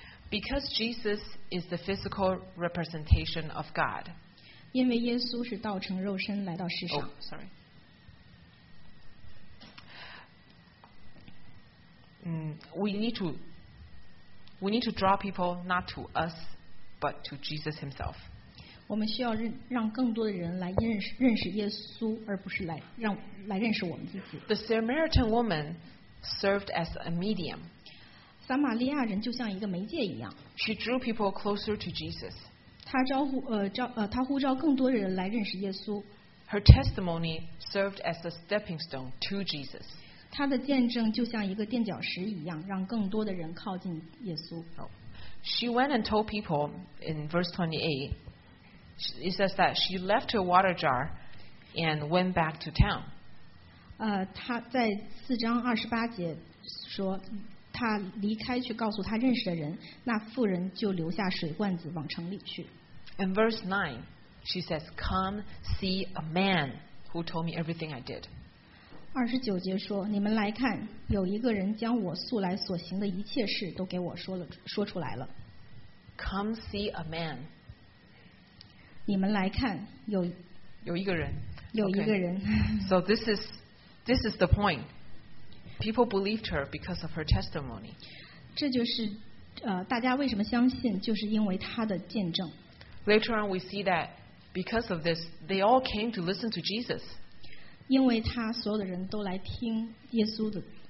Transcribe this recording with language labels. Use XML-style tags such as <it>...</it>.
<en>Because Jesus is the physical representation of God.</en> <zh>因为耶稣是道成肉身来到世上。</zh> <en>Oh, sorry. 。We need to draw people not to us, but to Jesus Himself.</en> <zh>我们需要让更多的人来认识耶稣，而不是来认识我们自己。</zh> <en>The Samaritan woman served as a medium.</en> <zh>撒玛利亚人就像一个媒介一样。</zh> <en>She drew people closer to Jesus.</en> <zh>她呼召更多人来认识耶稣。</zh> <en>Her testimony served as a stepping stone to Jesus.</en> <zh>她的见证就像一个垫脚石一样，让更多的人靠近耶稣。</zh> <en>She went and told people in verse 28. It says that she left her water jar and went back to town.</en> <zh>她在四章二十八节说。他离开去告诉他认识的人，那妇人就留下水罐子往城里去。</zh> <en>In verse 9, she says, "Come see a man who told me everything I did."</en> <zh>二十九节说，你们来看，有一个人将我素来所行的一切事都给我说出来了。</zh> <en>Come see a man.</en> <zh>你们来看，有一个人，有一个人。</zh> <en>Okay. So this is the point. People believed her because of her testimony.</en> <zh>这就是大家为什么相信，就是因为她的见证。</zh> <en>Later on, we see that because of this, they all came to listen to Jesus.</en> <zh>因为她，所有的人都来听耶稣的。</zh>